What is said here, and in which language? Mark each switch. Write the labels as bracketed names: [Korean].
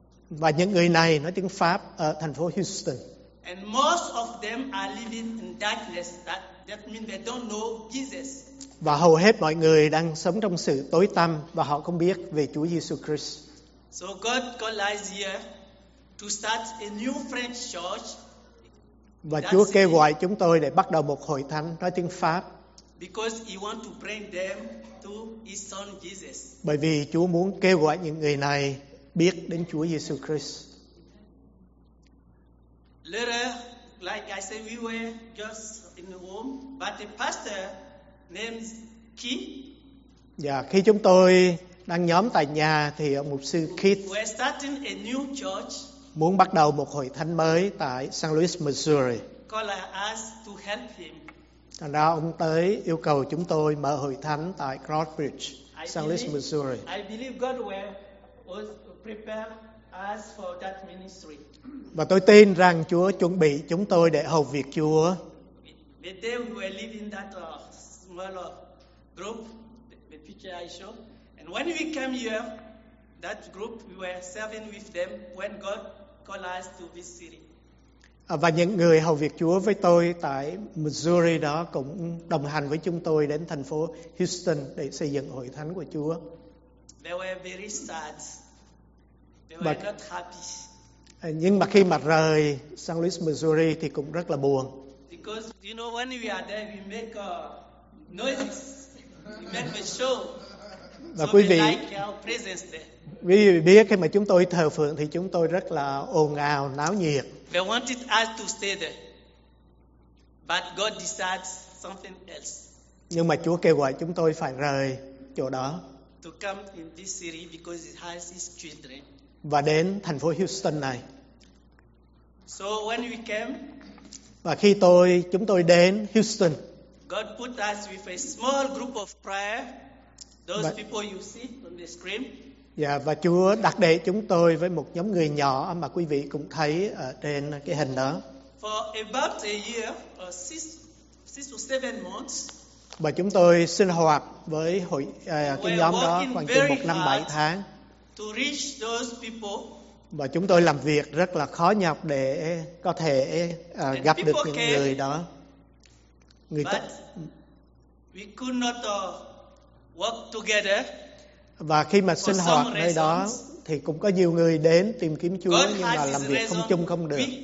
[Vietnamese] Và những người này nói tiếng Pháp ở thành phố Houston. [English] And most of them are living in darkness. That means they don't know Jesus. [Vietnamese] Và hầu hết mọi người đang sống trong sự tối tăm và họ không biết về Chúa Jesus Christ. [English] So God called us here to start a new French church. [Vietnamese] Và Chúa kêu gọi chúng tôi để bắt đầu một hội thánh nói tiếng Pháp. [English] Because he want to bring them to his son Jesus. [Vietnamese] Bởi vì Chúa muốn kêu gọi những người này biết đến Chúa Jesus Christ. [English] Later, like I said, we were just in the room, but the pastor named Keith. [Vietnamese] Dạ, khi chúng tôi đang nhóm tại nhà thì mục sư Keith [English] we're starting a new church. [Vietnamese] Muốn bắt đầu một hội thánh mới tại St. Louis, Missouri. [English] Called us to help him. [Vietnamese] Thành ra ông tới yêu cầu chúng tôi mở hội thánh tại Crossbridge, St. Louis, Missouri. [English] I believe God will prepare us for that ministry. [Vietnamese] Và tôi tin rằng Chúa chuẩn bị chúng tôi để hầu việc Chúa. [English] The day we were leaving that small group, the picture I show, and when we came here, that group we were serving with them when God called us to this city. [Vietnamese] Và những người hầu việc Chúa với tôi tại Missouri đó cũng đồng hành với chúng tôi đến thành phố Houston để xây dựng hội thánh của Chúa. [English] They were very sad. They were not happy. [Vietnamese] Nhưng mà khi mà rời St. Louis, Missouri thì cũng rất là buồn. [English] Because you know when we are there we make noises. We make a show. [Vietnamese] Và quý vị, [English] like [Vietnamese] quý vị biết khi mà chúng tôi thờ phượng thì chúng tôi rất là ồn ào, náo nhiệt. [English] They wanted us to stay there. But God decides something else. [Vietnamese] Nhưng mà Chúa kêu gọi chúng tôi phải rời chỗ đó. [English] To come in this city because it has its children. [Vietnamese] Và đến thành phố Houston này. [English] So when we came, [Vietnamese] và khi chúng tôi đến Houston, [English] God put us with a small group of prayer. Those people you see on the screen. [Vietnamese] Dạ, và Chúa đặt để chúng tôi với một nhóm người nhỏ mà quý vị cũng thấy ở trên cái hình đó. [English] For about a year, or six to seven months. [Vietnamese] Và chúng tôi sinh hoạt với cái nhóm đó khoảng chừng 1 năm 7 tháng. [English] To reach those people. [Vietnamese] Và chúng tôi làm việc rất là khó nhọc để có thể gặp được những người đó. [English] We could not work together. [Vietnamese] Và khi mà sinh hoạt nơi đó thì cũng có nhiều người đến tìm kiếm Chúa nhưng mà làm việc không chung không được.